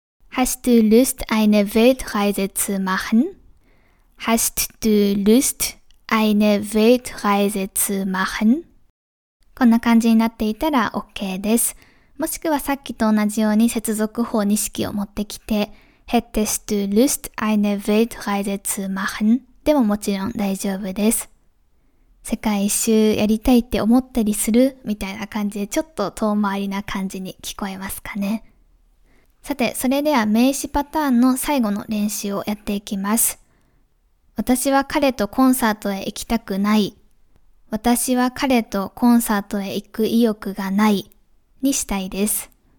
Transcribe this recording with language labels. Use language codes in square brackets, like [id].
[de] Hast du Lust, eine Weltreise zu machen? Hast du Lust, eine Weltreise zu machen? [ja] こんな感じになっていたら OK です。もしくはさっきと同じように接続法二式を持ってきて、 [de] Hättest du Lust, eine Weltreise zu machen? [ja] でももちろん大丈夫です。世界一周やりたいって思ったりするみたいな感じでちょっと遠回りな感じに聞こえますかね。さて、それでは名詞パターンの最後の練習をやっていきます。私は彼とコンサートへ行きたくない。私は彼とコンサートへ行く意欲がないにしたいです。